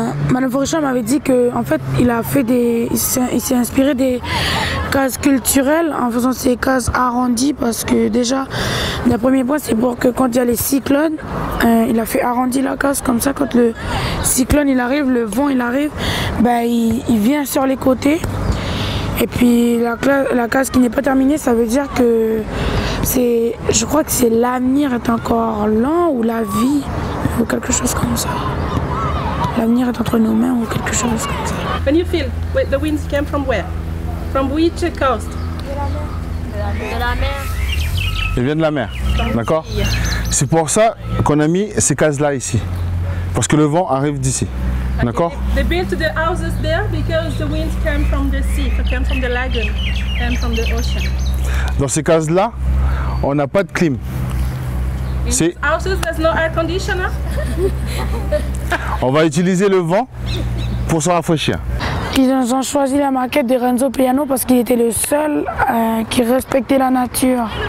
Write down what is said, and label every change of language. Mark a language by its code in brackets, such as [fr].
[fr] Madame Forichard m'avait dit que en fait il s'est inspiré des cases culturelles en faisant ces cases arrondies parce que déjà le premier point c'est pour que quand il y a les cyclones, il a fait arrondir la case comme ça quand le cyclone il arrive, le vent il arrive, ben il vient sur les côtés. Et puis la case qui n'est pas terminée, ça veut dire que je crois que l'avenir est encore lent ou la vie ou quelque chose comme ça. L'avenir est entre nos mains ou quelque chose comme ça. [en] When you feel where the winds came from where? From which coast? [fr] De la mer. Ils viennent de la mer. D'accord? C'est pour ça qu'on a mis ces cases-là ici. Parce que le vent arrive d'ici. D'accord? [en] They built the houses there because the winds came from the sea, came from the lagoon, came from the ocean. [fr] Dans ces cases-là, on n'a pas de clim. [en] C'est... houses, there's no air conditioner. [fr] On va utiliser le vent pour se rafraîchir. Ils ont choisi la maquette de Renzo Piano parce qu'il était le seul qui respectait la nature.